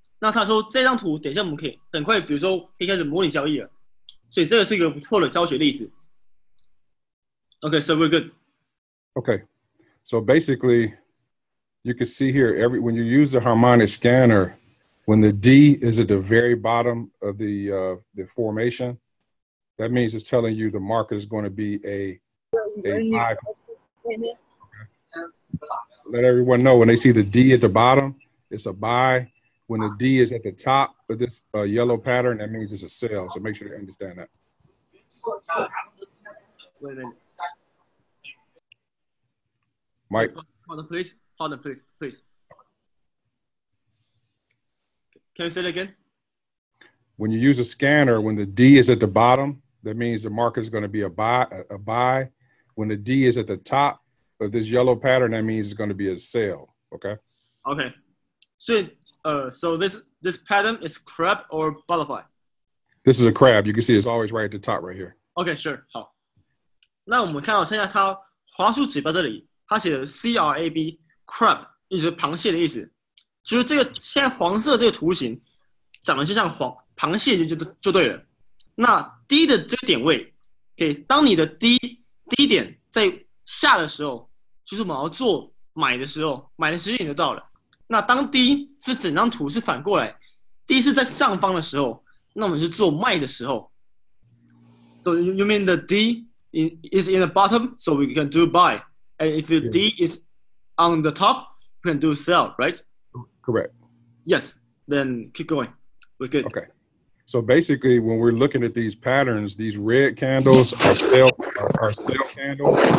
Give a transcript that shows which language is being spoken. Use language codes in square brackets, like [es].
[zh] 那他说这张图等一下我们可以很快，比如说可以开始模拟交易了，所以这个是一个不错的教学例子。 [en] Okay, so we're good. Okay, so basically, you can see here every when you use the harmonic scanner, when the D is at the very bottom of the formation, that means it's telling you the market is going to be a high. Let everyone know when they see the D at the bottom, it's a buy. When the D is at the top of this yellow pattern, that means it's a sell. So make sure you understand that. Wait a minute. Mike. Hold on, please. Can you say it again? When you use a scanner, when the D is at the bottom, that means the market is going to be a buy. When the D is at the top of this yellow pattern, that means it's going to be a sell. Okay? Okay. So this pattern is crab or butterfly? This is a crab. You can see it's always right at the top right here. Okay, sure. [zh] 好，那我们看到现在它滑鼠指标这里，它写的 CRAB crab， 一直螃蟹的意思，就是这个现在黄色这个图形长得就像螃蟹就对了。那低的这个点位，okay， 当你的低点在下的时候，就是我们要做买的时候，买的时间就到了。那当D是整张图是反过来，D是在上方的时候，那我们是做卖的时候。 [en] So you mean the D is in the bottom, so we can do buy. And if D is on the top, we can do sell, right? Correct. Yes. Then keep going. We're good. Okay. So basically, when we're looking at these patterns, these red candles are sell candles.